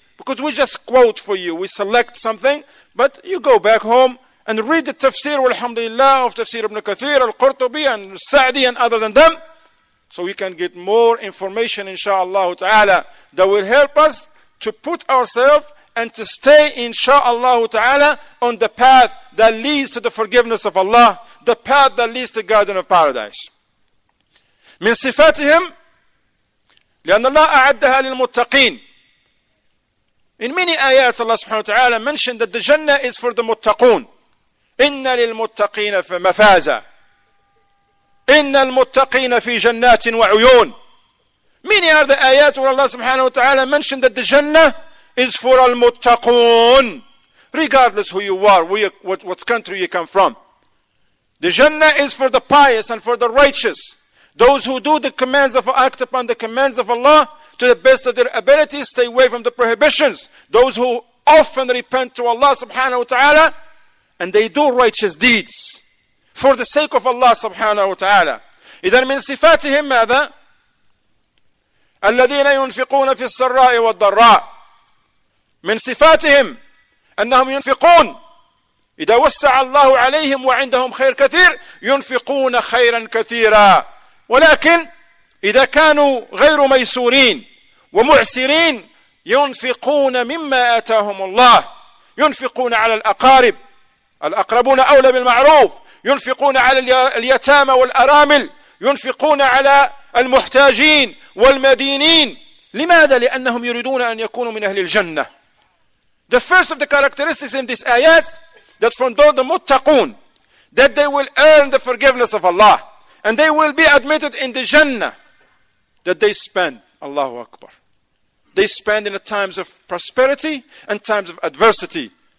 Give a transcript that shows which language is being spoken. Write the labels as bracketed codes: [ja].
[en] Because we just quote for you. We select something. But you go back home and read the tafsir, walhamdulillah, of tafsir Ibn Kathir, Al-Qurtubi, and Sa'di, and other than them. So we can get more information, inshallah ta'ala, that will help us to put ourselves and to stay, inshallah ta'ala, on the path that leads to the forgiveness of Allah, the path that leads to Garden of Paradise. [ar] من صفاتهم لأن الله أعدها للمتقين. [en] In many ayats, Allah subhanahu wa ta'ala mentioned that the Jannah is for the muttaqoon. [ar] إِنَّ لِلْمُتَّقِينَ مَفَازًا إِنَّ الْمُتَّقِينَ فِي جَنَّاتٍ وَعُيُونٍ. [en] Many are the ayats where Allah subhanahu wa ta'ala mentioned that the Jannah is for المتقون. Regardless who you are, what country you come from. The Jannah is for the pious and for the righteous. Those who do the commands of, act upon the commands of Allah to the best of their ability, stay away from the prohibitions. Those who often repent to Allah subhanahu wa ta'ala and they do righteous deeds for the sake of Allah subhanahu wa ta'ala. [ar] إذن من صفاتهم ماذا؟ الذين ينفقون في السراء والضراء. من صفاتهم أنهم ينفقون. إذا وسع الله عليهم وعندهم خير كثير ينفقون خيرا كثيرا. ولكن إذا كانوا غير ميسورين ومعسرين ينفقون مما آتاهم الله. ينفقون على الأقارب، الأقربون أولى بالمعروف. ينفقون على اليتامى والأرامل. ينفقون على المحتاجين والمدينين. لماذا؟ لأنهم يريدون أن يكونوا من أهل الجنة. [en] The first of the characteristics in this ayat, that from the muttaqoon, that they will earn the forgiveness of Allah, and they will be admitted in the Jannah, that they spend, Allahu Akbar. They spend in the times of prosperity and times of adversity.